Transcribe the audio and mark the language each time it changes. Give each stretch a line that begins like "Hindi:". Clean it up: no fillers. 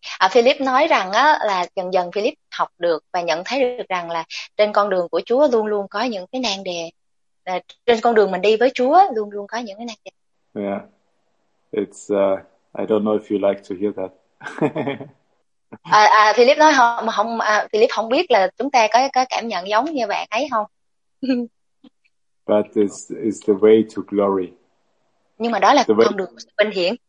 Vietnamese: Philip nói rằng á là dần dần Philip học được và nhận thấy được rằng là trên con đường của Chúa luôn luôn có những cái nan đề. Là trên con đường mình đi với Chúa luôn luôn có những cái nan đề. Yeah.
English: It's I don't know if you like to hear that.
Vietnamese: Philip nói không Philip không biết là chúng ta có cảm nhận giống như bạn ấy không.
English: But this is the way to glory.
Vietnamese: Nhưng mà đó là con đường sự vinh hiển.